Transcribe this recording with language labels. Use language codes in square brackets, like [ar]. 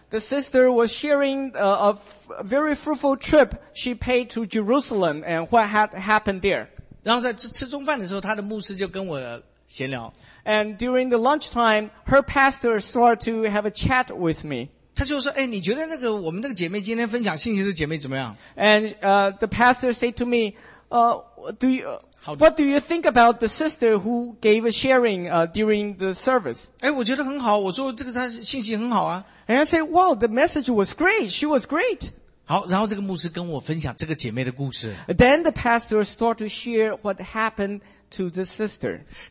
[en] The sister was sharing a very fruitful trip she paid to Jerusalem and what had happened there. [zh] 然后在吃中饭的时候，她的牧师就跟我闲聊。 [en] And during the lunchtime, her pastor started to have a chat with me. [zh] 他就说，哎，你觉得那个我们那个姐妹今天分享信息的姐妹怎么样？ [en] And the pastor said to me, what do you think about the sister who gave a sharing during the service? [zh] 哎，我觉得很好。我说这个她信息很好啊。 [en] And I said, wow, the message was great. She was great. [zh] 好，然后这个牧师跟我分享这个姐妹的故事。 [en] Then the pastor started to share what happened to the sister.